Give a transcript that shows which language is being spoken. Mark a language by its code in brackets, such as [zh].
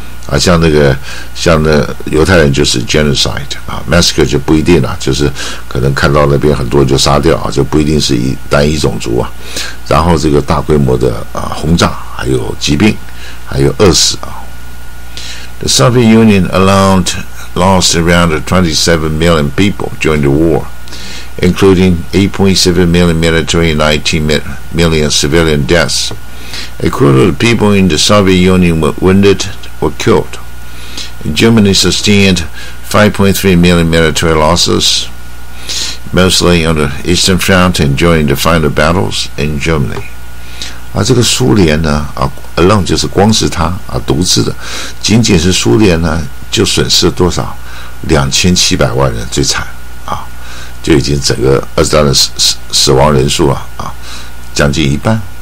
[zh] 啊，像那个像那犹太人就是 genocide 啊 ，massacre 就不一定了，就是可能看到那边很多就杀掉啊，就不一定是一单一种族啊。然后这个大规模的啊轰炸，还有疾病，还有饿死啊。 [en] The Soviet Union alone lost around 27 million people during the war, including 8.7 million military and 19 million civilian deaths. A quarter of the people in the Soviet Union were wounded or killed. Germany sustained 5.3 million military losses, mostly on the Eastern Front and during the final battles in Germany. [zh] 啊，这个苏联呢，啊 ，alone 就是光是他啊，独自的，仅仅是苏联呢，就损失多少？ 2700万人最惨啊，就已经整个二战的死亡人数啊，将近一半。